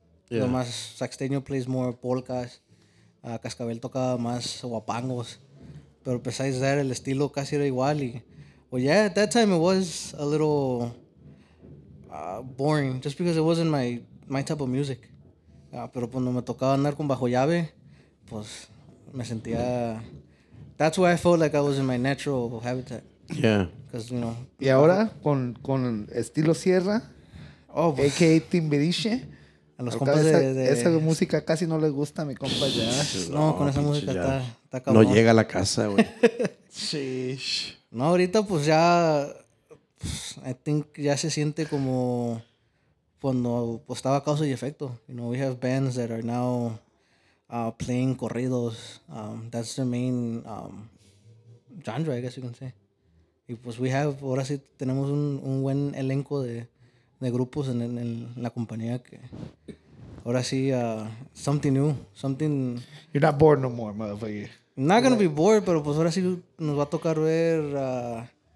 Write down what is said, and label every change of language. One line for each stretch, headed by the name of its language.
Spanish: Yeah. No más Saxteño
English: plays more polkas.
Spanish: Cascabel tocaba más huapangos. Pero
English: besides that,
Spanish: el estilo casi era igual.
English: Y, well, yeah, at that time it was a little boring, just because it wasn't my type of music.
Spanish: Pero cuando me tocaba andar con bajo llave, pues me sentía...
English: That's why I felt like I was in my natural habitat. Yeah. Because, you know...
Spanish: ¿Y ahora con estilo Sierra? Oh, pues. A.K.A. Timbiriche. A los compas esa música casi no les gusta a mi compa ya. No, con esa música ya. está cabrón. No llega a la casa, güey.
English: Sheesh.
Spanish: No, ahorita pues ya...
English: I think
Spanish: ya se siente como cuando pues, estaba Causa y Efecto.
English: You know, we have bands that are now playing corridos. That's the main genre, I guess you can say.
Spanish: Y pues
English: we have,
Spanish: ahora sí tenemos un buen elenco de grupos en la compañía que ahora sí,
English: something new, something... You're not bored no more, motherfucker. Not gonna be bored,
Spanish: pero pues ahora sí nos va a tocar ver...